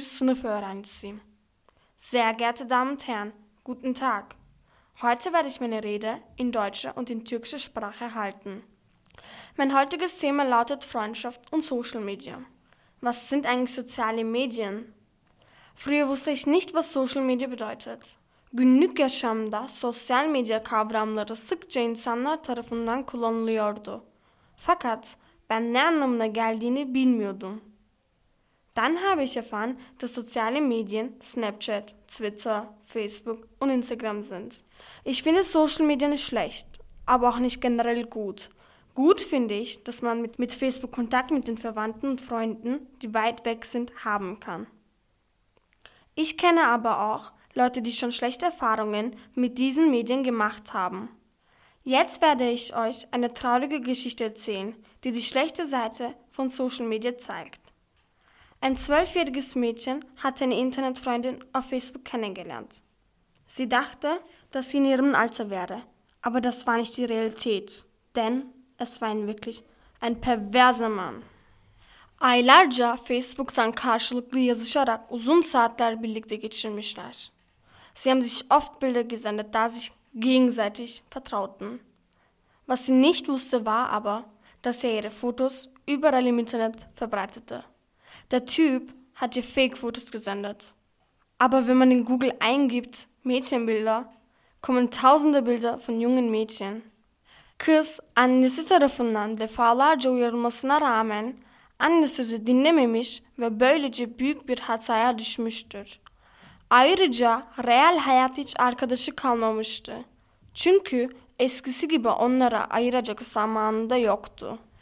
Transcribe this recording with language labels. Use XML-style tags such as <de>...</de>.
<tr>sınıf öğrencisiyim.</tr> <de>Sehr geehrte Damen und Herren, guten Tag. Heute werde ich meine Rede in deutscher und in türkischer Sprache halten. Mein heutiges Thema lautet Freundschaft und Social Media. Was sind eigentlich soziale Medien? Früher wusste ich nicht, was Social Media bedeutet.</de> <tr>Günlük yaşamda sosyal medya kavramları sıkça insanlar tarafından kullanılıyordu. Fakat ben ne anlamına geldiğini bilmiyordum.</tr> <de>Dann habe ich erfahren, dass soziale Medien Snapchat, Twitter, Facebook und Instagram sind. Ich finde Social Media nicht schlecht, aber auch nicht generell gut. Gut finde ich, dass man mit Facebook Kontakt mit den Verwandten und Freunden, die weit weg sind, haben kann. Ich kenne aber auch Leute, die schon schlechte Erfahrungen mit diesen Medien gemacht haben. Jetzt werde ich euch eine traurige Geschichte erzählen, die die schlechte Seite von Social Media zeigt. Ein 12-jähriges Mädchen hat eine Internetfreundin auf Facebook kennengelernt. Sie dachte, dass sie in ihrem Alter wäre, aber das war nicht die Realität, denn es war wirklich ein perverser Mann.</de> <tr>Aylarca Facebook'tan karşılıklı yazışarak uzun saatler birlikte geçirmişler.</tr> <de>Sie haben sich oft Bilder gesendet, da sich gegenseitig vertrauten. Was sie nicht wusste, war aber, dass er ihre Fotos überall im Internet verbreitete. Der Typ hat ihr Fake-Fotos gesendet. Aber wenn man in Google eingibt, Mädchenbilder, kommen tausende Bilder von jungen Mädchen.</de> <tr>Kız annesi tarafından defalarca uyarılmasına rağmen anne sözü dinlememiş ve böylece büyük bir hataya düşmüştür. Ayrıca real hayat hiç arkadaşı kalmamıştı. Çünkü eskisi gibi onlara ayıracak zamanı da yoktu.</tr>